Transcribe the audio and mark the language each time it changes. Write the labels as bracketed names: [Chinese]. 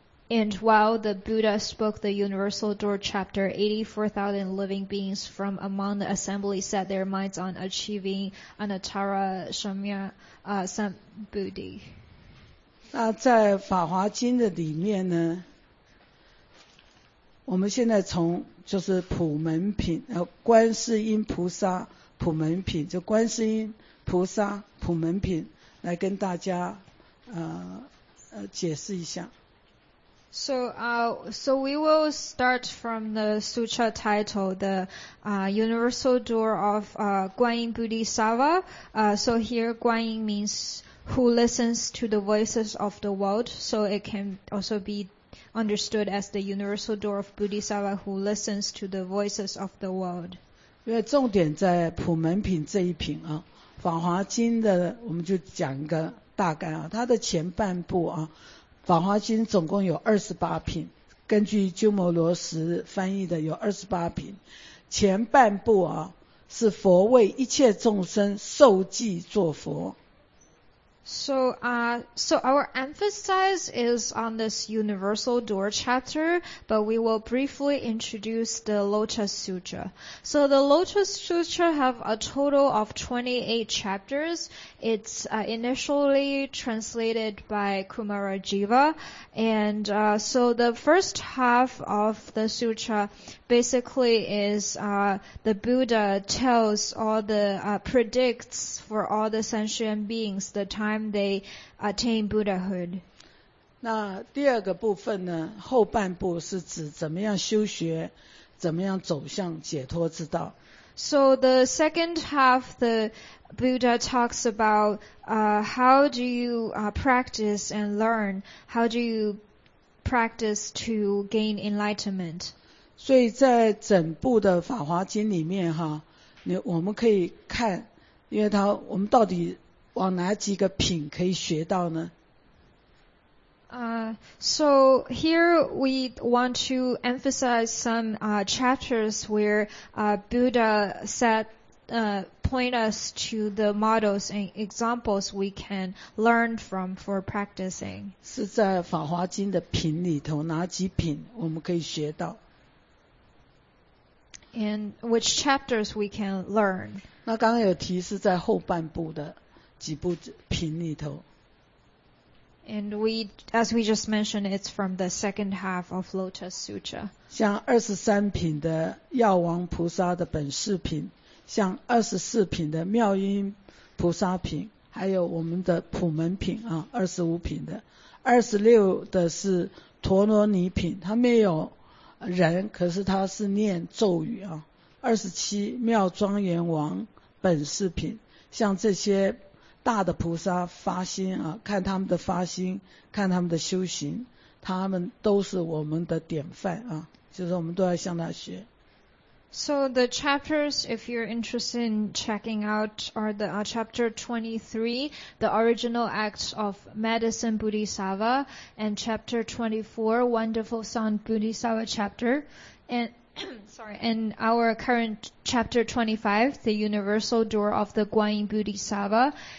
[English] And while the Buddha spoke the universal door chapter, 84,000 living beings from among the assembly set their minds on achieving Anattara Samyabuddhi. [Chinese] 那在《法华经》的里面呢，我们现在从就是普门品，观世音菩萨普门品，就观世音菩萨普门品来跟大家解释一下。 [English] So we will start from the sutra title, the universal door of Guanyin Bodhisattva. So here, Guanyin means who listens to the voices of the world. So it can also be understood as the universal door of Bodhisattva who listens to the voices of the world. [Chinese] 因为重点在普门品这一品啊，法华经的我们就讲一个大概啊，它的前半部啊。法华经总共有28品，根据鸠摩罗什翻译的有28品，前半部啊是佛为一切众生受记作佛。 [English] So our emphasis is on this universal door chapter, but we will briefly introduce the Lotus Sutra. So the Lotus Sutra have a total of 28 chapters. It's initially translated by Kumarajiva. And so the first half of the sutra basically is the Buddha tells predicts for all the sentient beings the time they attain Buddhahood. [Chinese] 那第二个部分呢，后半部是指怎么样修学，怎么样走向解脱之道。 [English] So the second half, the Buddha talks about how do you practice and learn? How do you practice to gain enlightenment? [Chinese] 所以在整部的《法华经》里面哈，我们可以看，因为它我们到底往哪几个品可以学到呢？ [English] So here we want to emphasize some chapters where Buddha point us to the models and examples we can learn from for practicing. [Chinese] 是在《法华经》的品里头，哪几品我们可以学到？ [English] And which chapters we can learn? [Chinese] 那刚刚有提示在后半部的几部品里头。 [English] And we, as we just mentioned, it's from the second half of Lotus Sutra. [Chinese] 像23品的药王菩萨的本事品，像24品的妙音菩萨品，还有我们的普门品啊，25品的，26的是陀罗尼品，它没有人，可是它是念咒语啊。 27妙庄严王本事品，像这些大的菩萨发心啊，看他们的发心，看他们的修行，他们都是我们的典范啊，就是我们都要向他学。 [English] So the chapters, if you're interested in checking out, are the chapter 23, the original acts of medicine Bodhisattva, and chapter 24, wonderful sound Bodhisattva chapter, and sorry, in our current chapter 25, the universal door of the Guanyin Bodhisattva.